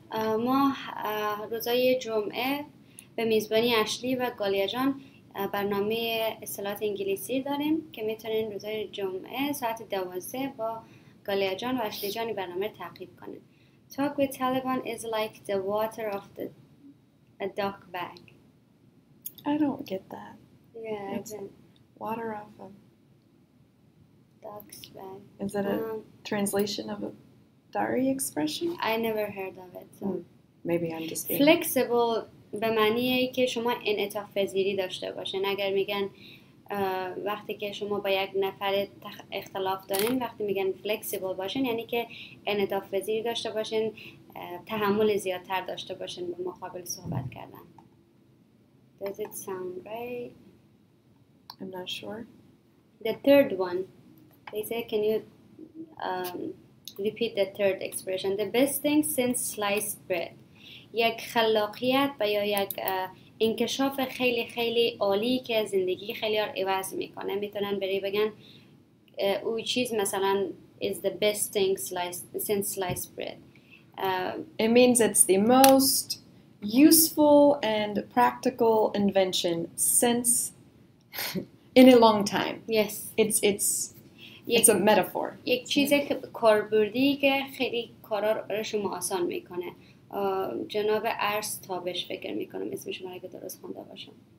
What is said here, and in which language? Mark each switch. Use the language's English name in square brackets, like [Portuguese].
[Persian] ما روزای جمعه به میزبانی اشلی و گالیا جان برنامه اصطلاحات انگلیسی داریم که میتونین روزای جمعه ساعت 12 با گالیا جان و اشلی جان برنامه تعقیب کنین. [English] Talk with Taliban is like the water of the a duck bag. I don't get that. Yeah, it's water off a duck's bag. Is that a translation of a Dari expression? I never heard of it. So. Maybe I'm just being flexible. [Persian] به معنی ای که شما انعطاف پذیری داشته باشین. اگر میگن وقتی که شما با یک نفر اختلاف دارین، وقتی میگن flexible باشین، یعنی که انعطاف پذیری داشته باشین. تحمل زیادتر داشته باشن به مقابل صحبت کردن. [English] Does it sound right? I'm not sure. The third one. They say, can you repeat the third expression? The best thing since sliced bread. [Persian] یک خلاقیت یا یک انکشاف خیلی خیلی عالی که زندگی خیلی را عوض میکنه. میتونن بری بگن او چیز مثلا [English] is the best thing since sliced bread. It means it's the most useful and practical invention since in a long time. Yes. It's a metaphor. [Persian] یک چیز کاربردی که خیلی کارا رو شما آسان میکنه. جناب ارس تابش فکر میکنم اسم شما رو درست خونده باشم.